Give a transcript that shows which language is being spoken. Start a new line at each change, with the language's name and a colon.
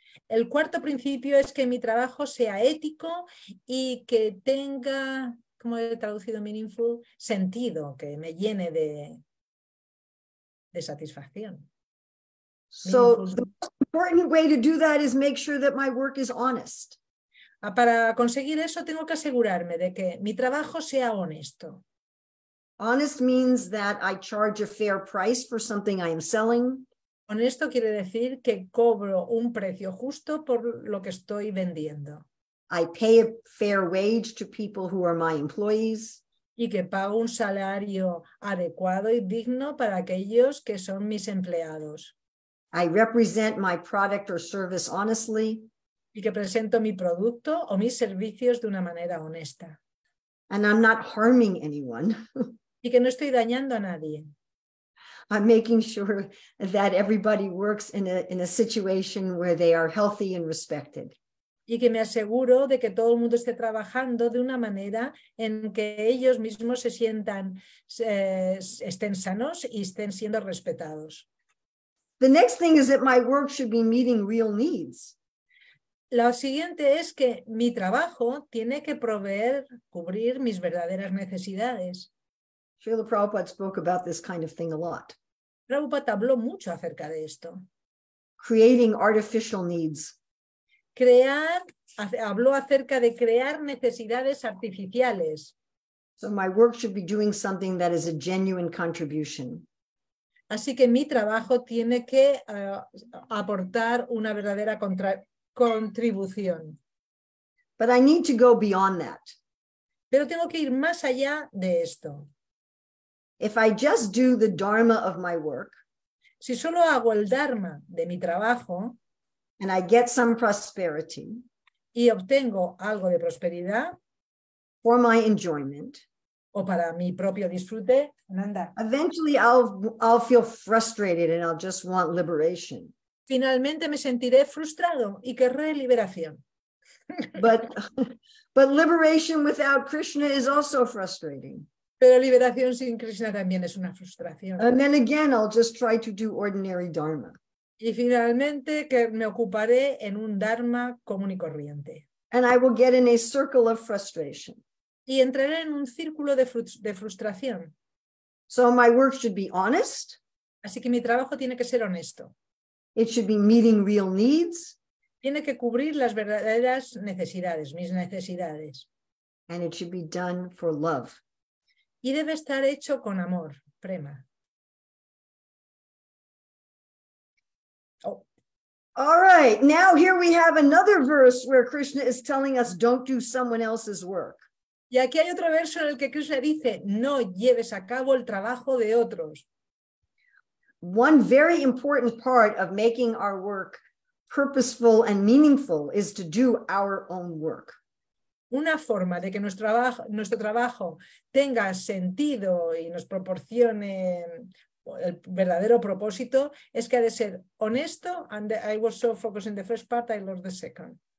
Spanish: El cuarto principio es que mi trabajo sea ético y que tenga, como he traducido meaningful, sentido, que me llene de satisfacción.
English: So meaningful. The most important way to do that is make sure that my work is honest.
Spanish: Para conseguir eso tengo que asegurarme de que mi trabajo sea honesto.
English: Honest means that I charge a fair price for something I am selling.
Spanish: Honesto quiere decir que cobro un precio justo por lo que estoy vendiendo.
English: I pay a fair wage to people who are my employees.
Spanish: Y que pago un salario adecuado y digno para aquellos que son mis empleados.
English: I represent my product or service honestly.
Spanish: Y que presento mi producto o mis servicios de una manera honesta.
English: And I'm not harming anyone.
Spanish: Y que no estoy dañando a nadie.
English: I'm making sure that everybody works in a situation where they are healthy and respected.
Spanish: Y que me aseguro de que todo el mundo esté trabajando de una manera en que ellos mismos se sientan, estén sanos y estén siendo respetados.
English: The next thing is that my work should be meeting real needs.
Spanish: Lo siguiente es que mi trabajo tiene que proveer, cubrir mis verdaderas necesidades.
English: Srila Prabhupada spoke about this kind of thing a lot.
Spanish: Prabhupada habló mucho acerca de esto.
English: Creating artificial needs.
Spanish: Habló acerca de crear necesidades artificiales.
English: So my work should be doing something that is a genuine contribution.
Spanish: Así que mi trabajo tiene que aportar una verdadera contribución.
English: But I need to go beyond that.
Spanish: Pero tengo que ir más allá de esto.
English: If I just do the dharma of my work,
Spanish: si solo hago el dharma de mi trabajo,
English: and I get some prosperity,
Spanish: y obtengo algo de prosperidad,
English: for my enjoyment,
Spanish: o para mi propio disfrute, Ananda,
English: eventually I'll feel frustrated and I'll just want liberation.
Spanish: Finalmente me sentiré frustrado y querré liberación.
English: But liberation without Krishna is also frustrating.
Spanish: Pero liberación sin Krishna también es una frustración.
English: And then again, I'll just try to do ordinary dharma.
Spanish: Y finalmente que me ocuparé en un dharma común y corriente.
English: And I will get in a circle of frustration.
Spanish: Y entraré en un círculo de frustración.
English: So my work should be honest.
Spanish: Así que mi trabajo tiene que ser honesto.
English: It should be meeting real needs.
Spanish: Tiene que cubrir las verdaderas necesidades, mis necesidades.
English: And it should be done for love.
Spanish: Y debe estar hecho con amor, prema.
English: All right, now here we have another verse where Krishna is telling us don't do someone else's work.
Spanish: Y aquí hay otro verso en el que Krishna dice no lleves a cabo el trabajo de otros.
English: One very important part of making our work purposeful and meaningful is to do our own work.
Spanish: Una forma de que nuestro trabajo tenga sentido y nos proporcione el verdadero propósito es que ha de ser honesto.
English: And I was so focused in the first part, I lost the second.